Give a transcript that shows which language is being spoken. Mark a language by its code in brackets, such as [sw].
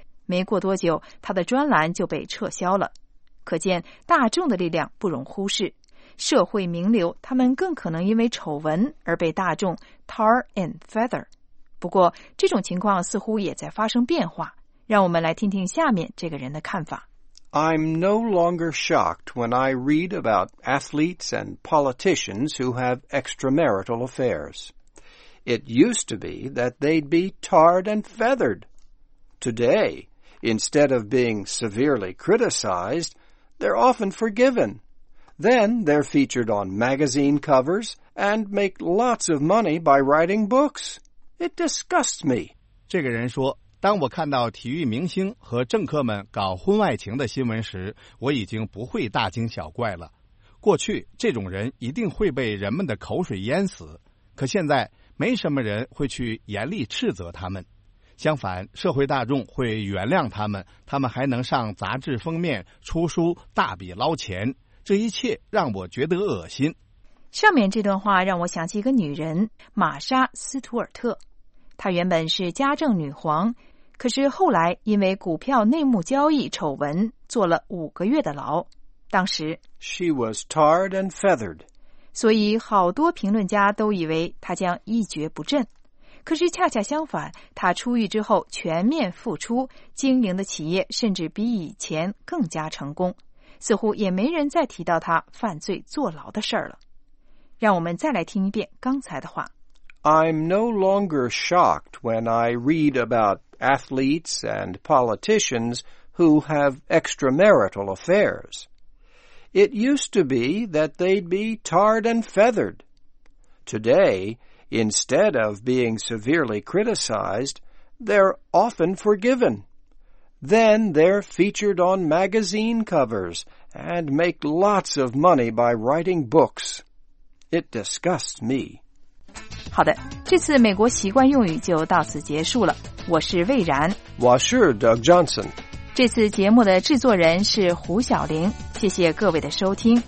[zh] 没过多久，他的专栏就被撤销了。可见大众的力量不容忽视，社会名流他们更可能因为丑闻而被大众 [en] tar and feather。 [zh] 不过这种情况似乎也在发生变化，让我们来听听下面这个人的看法。 [en] I'm no longer shocked when I read about athletes and politicians who have extramarital affairs. It used to be that they'd be tarred and feathered. Today, instead of being severely criticized, they're often forgiven. Then they're featured on magazine covers and make lots of money by writing books. It disgusts me. [zh] 这个人说，当我看到体育明星和政客们搞婚外情的新闻时，我已经不会大惊小怪了。过去这种人一定会被人们的口水淹死，可现在没什么人会去严厉斥责他们，相反，社会大众会原谅他们，他们还能上杂志封面、出书、大笔捞钱，这一切让我觉得恶心。上面这段话让我想起一个女人，玛莎·斯图尔特。她原本是家政女皇，可是后来因为股票内幕交易丑闻坐了5个月的牢。当时 [en] She was tarred and feathered， [zh] 所以好多评论家都以为她将一蹶不振。可是恰恰相反，她出狱之后全面复出，经营的企业甚至比以前更加成功，似乎也没人再提到她犯罪坐牢的事儿了。让我们再来听一遍刚才的话。 [en] I'm no longer shocked when I read about athletes and politicians who have extramarital affairs. It used to be that they'd be tarred and feathered. Today, instead of being severely criticized, they're often forgiven. Then they're featured on magazine covers and make lots of money by writing books. It disgusts me. [zh] 好的，这次美国习惯用语就到此结束了。我是魏然，我是 Doug Johnson。这次节目的制作人是胡晓玲，谢谢各位的收听。